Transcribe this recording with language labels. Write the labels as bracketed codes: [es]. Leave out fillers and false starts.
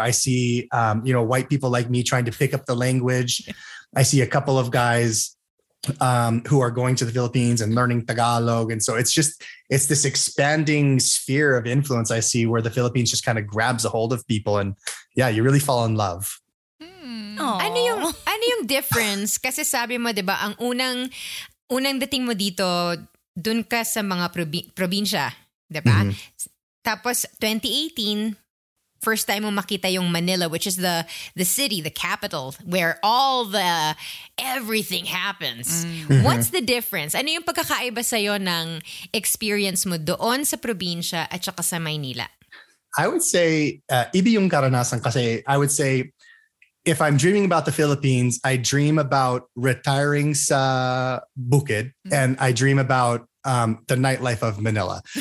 [en] I see white people like me trying to pick up the language. Yeah. I see a couple of guys who are going to the Philippines and learning Tagalog. And so it's this expanding sphere of influence I see where the Philippines just kind of grabs a hold of people. And yeah, you really fall in love. [tl] Hmm. Ano yung [en] difference? [tl] Kasi sabi mo, diba, ang unang dating mo dito, dun ka sa mga probinsya, diba? Mm-hmm. Tapos [en] 2018, first time [tl] mo makita yung [en] Manila, which is the city, the capital, where all the everything happens. Mm-hmm. What's the difference? [tl] Ano yung pagkakaiba sa'yo ng experience mo doon sa probinsya at saka sa Maynila? [en] I would say, [tl] iba yung karanasan kasi [en] I would say, if I'm dreaming about the Philippines, I dream about retiring [tl] sa bukid, [en] mm-hmm. and I dream about the nightlife of Manila.